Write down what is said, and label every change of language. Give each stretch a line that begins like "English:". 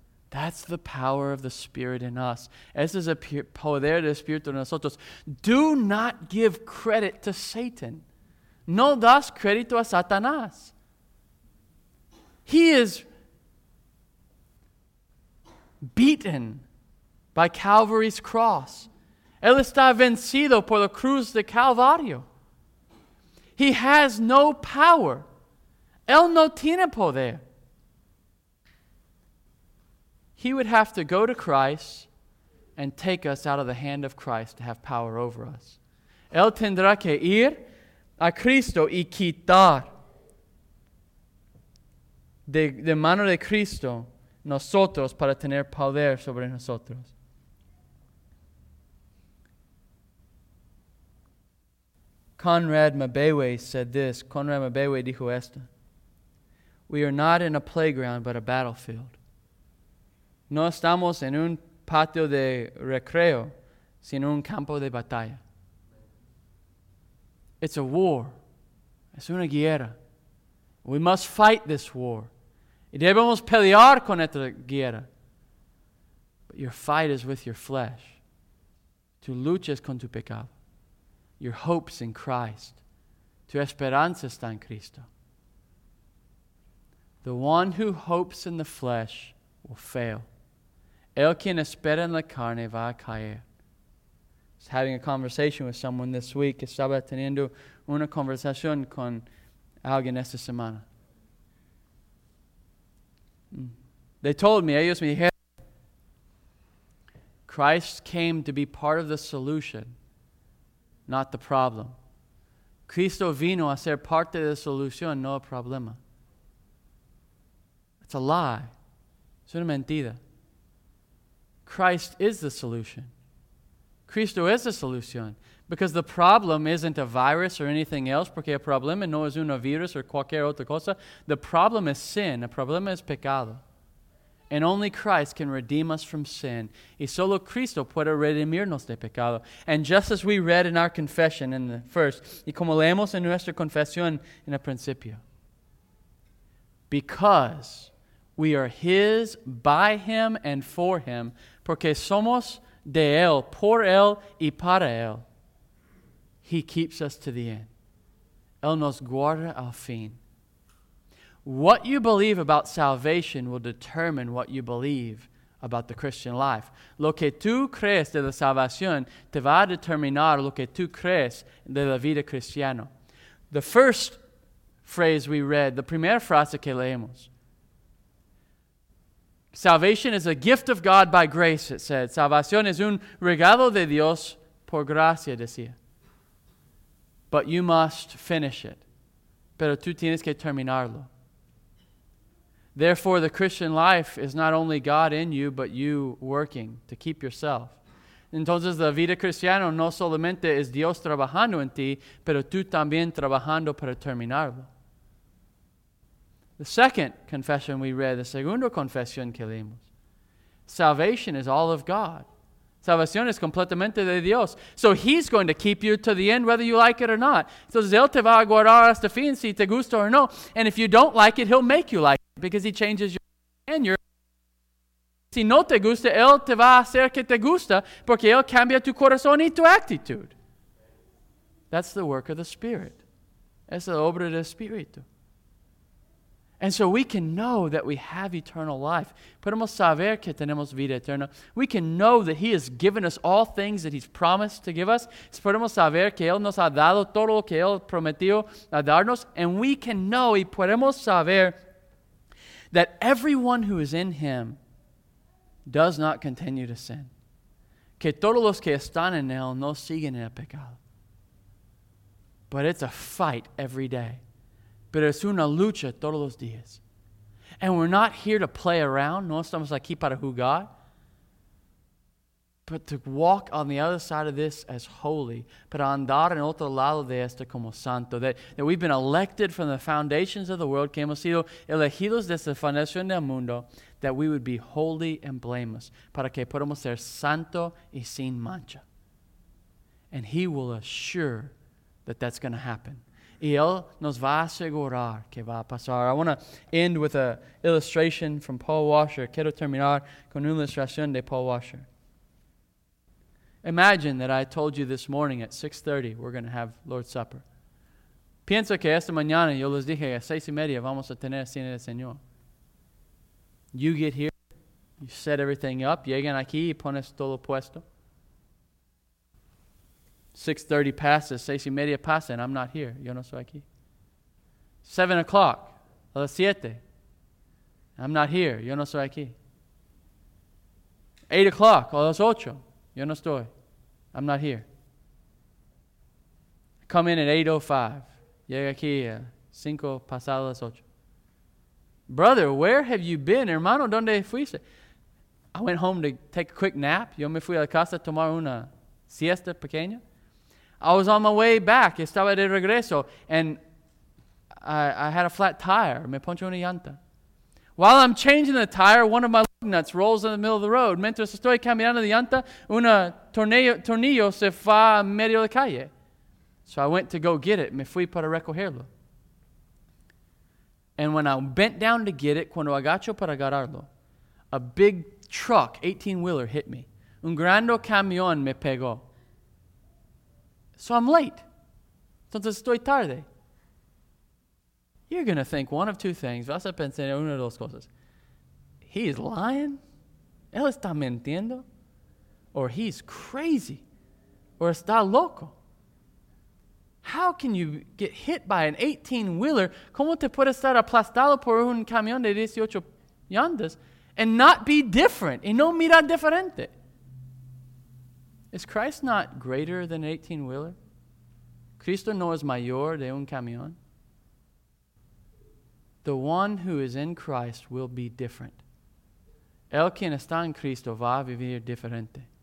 English: That's the power of the Spirit in us.
Spanish: Ese es el poder del Espíritu en nosotros.
English: Do not give credit to Satan.
Spanish: No das crédito a Satanás.
English: He is beaten by Calvary's cross.
Spanish: Él está vencido por la cruz de Calvario.
English: He has no power.
Spanish: Él no tiene poder.
English: He would have to go to Christ and take us out of the hand of Christ to have power over us.
Spanish: Él tendrá que ir a Cristo y quitar de mano de Cristo, nosotros, para tener poder sobre nosotros. Conrad Mabewe dijo esto.
English: We are not in a playground, but a battlefield.
Spanish: No estamos en un patio de recreo, sino un campo de batalla.
English: It's a war.
Spanish: Es una guerra.
English: We must fight this war.
Spanish: Y debemos pelear con esta guerra.
English: But your fight is with your flesh.
Spanish: Tu lucha es con tu pecado.
English: Your hope's in Christ.
Spanish: Tu esperanza está en Cristo.
English: The one who hopes in the flesh will fail.
Spanish: El quien espera en la carne va a caer.
English: I was having a conversation with someone this week.
Spanish: Estaba teniendo una conversación con alguien esta semana.
English: They told me,
Spanish: ellos me dijeron,
English: Christ came to be part of the solution, not the problem.
Spanish: Cristo vino a ser parte de la solución, no el problema.
English: It's a lie.
Spanish: Es una mentira.
English: Christ is the solution.
Spanish: Cristo es la solución.
English: Because the problem isn't a virus or anything else,
Spanish: porque el problema no es un virus or cualquier otra cosa.
English: The problem is sin.
Spanish: El problema es pecado.
English: And only Christ can redeem us from sin.
Spanish: Y solo Cristo puede redimirnos de pecado.
English: And just as we read in our confession in the first,
Spanish: y como leemos en nuestra confesión en el principio,
English: because we are His by Him and for Him,
Spanish: porque somos de Él, por Él y para Él,
English: He keeps us to the end.
Spanish: Él nos guarda al fin.
English: What you believe about salvation will determine what you believe about the Christian life.
Spanish: Lo que tú crees de la salvación te va a determinar lo que tú crees de la vida cristiana.
English: The first phrase we read, the
Spanish: primera frase que leemos.
English: Salvation is a gift of God by grace, it said.
Spanish: Salvación es un regalo de Dios por gracia, decía.
English: But you must finish it.
Spanish: Pero tú tienes que terminarlo.
English: Therefore, the Christian life is not only God in you, but you working to keep yourself.
Spanish: Entonces, la vida cristiana no solamente es Dios trabajando en ti, pero tú también trabajando para terminarlo.
English: The second confession we read, the
Spanish: segunda confesión que leímos.
English: Salvation is all of God.
Spanish: Salvación es completamente de Dios.
English: So He's going to keep you to the end, whether you like it or not.
Spanish: Entonces, Él te va a guardar hasta fin, si te gusta o no.
English: And if you don't like it, He'll make you like it. Because He changes your and your.
Spanish: Si no te gusta, Él te va a hacer que te gusta, porque Él cambia tu corazón y tu actitude.
English: That's the work of the Spirit.
Spanish: Es la obra del Espíritu.
English: And so we can know that we have eternal life.
Spanish: Podemos saber que tenemos vida eterna.
English: We can know that He has given us all things that He's promised to give us.
Spanish: Podemos saber que Él nos ha dado todo lo que Él prometió a darnos.
English: And we can know
Spanish: y podemos saber
English: that everyone who is in Him does not continue to sin.
Spanish: Que todos los que están en Él no siguen en el pecado.
English: But it's a fight every day.
Spanish: Pero es una lucha todos los días.
English: And we're not here to play around.
Spanish: No estamos aquí para jugar.
English: But to walk on the other side of this as holy,
Spanish: para andar en otro lado de esto como santo,
English: that we've been elected from the foundations of the world,
Spanish: que hemos sido elegidos desde la fundación del mundo,
English: that we would be holy and blameless,
Spanish: para que podamos ser santo y sin mancha.
English: And he will assure that that's going to happen.
Spanish: Y él nos va a asegurar que va a pasar.
English: I want to end with an illustration from Paul Washer.
Spanish: Quiero terminar con una ilustración de Paul Washer.
English: Imagine that I told you this morning at 6:30 we're going to have Lord's Supper.
Spanish: Pienso que esta mañana yo les dije a 6:30 vamos a tener cena del Señor.
English: You get here, you set everything up,
Spanish: llegan aquí y pones todo puesto. 6:30 passes, 6:30 pasa,
English: and I'm not here.
Spanish: Yo no soy aquí.
English: 7:00,
Spanish: a las 7,
English: I'm not here.
Spanish: Yo no soy aquí. 8:00, a las 8. Yo no estoy.
English: I'm not here. I come in at 8:05.
Spanish: Llega aquí a 5 pasadas las 8.
English: Brother, where have you been?
Spanish: Hermano, ¿dónde fuiste?
English: I went home to take a quick nap.
Spanish: Yo me fui a la casa a tomar una siesta pequeña.
English: I was on my way back.
Spanish: Estaba de regreso.
English: And I had a flat tire.
Spanish: Me poncho una llanta.
English: While I'm changing the tire, one of my nuts rolls in the middle of the road.
Spanish: Mientras estoy caminando de llanta, una tornillo se va a medio de calle. So I went to go get it. Me fui para recogerlo.
English: And when I bent down to get it,
Spanish: cuando agacho para agarrarlo,
English: a big truck, 18-wheeler, hit me.
Spanish: Un grande camión me pegó.
English: So I'm late.
Spanish: Entonces estoy tarde.
English: You're going to think one of two things.
Spanish: Vas a pensar en una de dos cosas.
English: He is lying.
Spanish: Él está mintiendo. Or he's crazy. Or está loco.
English: How can you get hit by an 18-wheeler?
Spanish: ¿Cómo te puedes estar aplastado por un camión de 18 llantas
English: and not be different?
Spanish: Y no mirar diferente.
English: Is Christ not greater than an 18-wheeler?
Spanish: Cristo no es mayor de un camión.
English: The one who is in Christ will be different.
Spanish: El quien está en Cristo va a vivir diferente.